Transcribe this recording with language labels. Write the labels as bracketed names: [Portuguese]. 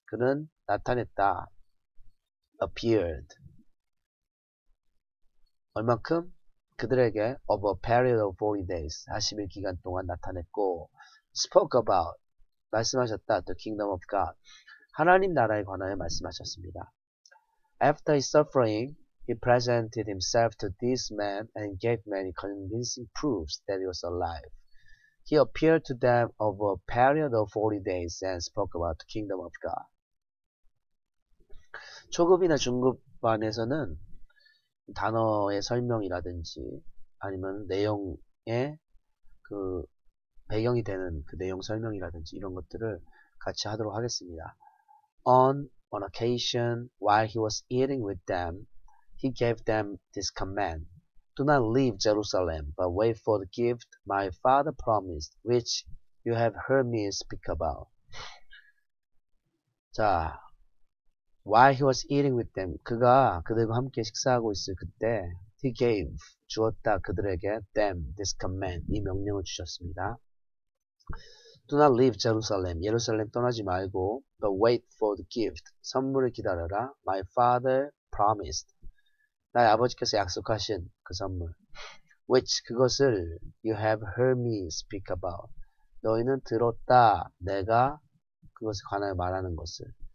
[Korean] 그는 나타냈다. Appeared. 얼만큼? 그들에게 [English] over a period of 40 days. [Korean] 40일 기간 동안 나타냈고 [English] spoke about. [Korean] 말씀하셨다. [English] The kingdom of God. [Korean] 하나님 나라에 관하여 말씀하셨습니다. [English] After his suffering, he presented himself to these men and gave many convincing proofs that he was alive. He appeared to them over a period of 40 days and spoke about the kingdom of God. [Korean] 초급이나 중급반에서는 단어의 설명이라든지 아니면 내용의 그 배경이 되는 그 내용 설명이라든지 이런 것들을 같이 하도록 하겠습니다. [English] On occasion, while he was eating with them, he gave them this command. Do not leave Jerusalem, but wait for the gift my father promised, which you have heard me speak about. [Korean] 자, [English] while he was eating with them, [Korean] 그가 그들과 함께 식사하고 있을 그때, [English] he gave, [Korean] 주었다 그들에게, them, [English] this command, [Korean] 이 명령을 주셨습니다. [English] Do not leave Jerusalem. [Korean] 예루살렘 떠나지 말고, [English] but wait for the gift. [Korean] 선물을 기다려라. [English] My father promised. [Korean] 나의 아버지께서 약속하신 그 선물. [English] Which 그것을 you have heard me speak about. [Korean] 너희는 들었다. 내가 그것에 관하여 말하는 것을.